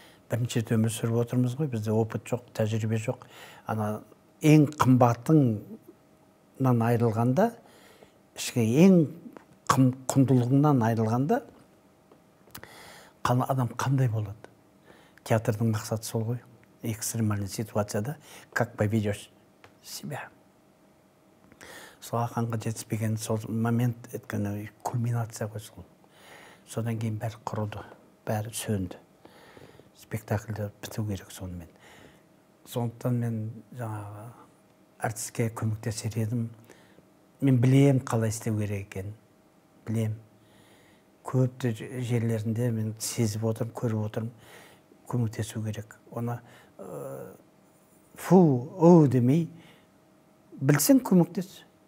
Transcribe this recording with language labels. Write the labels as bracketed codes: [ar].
[kk] Бірінші рет өмір сүріп отырмыз ғой, бізде опыт жоқ, тәжірибе жоқ. Ана ең қымбатыңнан айырылғанда, ішкі ең құндылығыңнан айырылғанда қана адам қандай болады? Театрдың мақсаты сол ғой. [ru] Экстремальный ситуацияда как поведешь себя. [kk] Сол ақанға жетіспеген сол момент, өйткені кульминация ғой сол. Содан кейін бәрі құрыды, бәрі сөнді. Спектакльді біту керек сонымен. Сондықтан мен жаңағы әртіске көмектесер едім. Мен білемін қалай істеу керек екенін. Білемін. Көп жерлерінде мен сезіп отырмын, көріп отырмын, көмектесу керек. Оны фу, оу демей, білсең көмектес.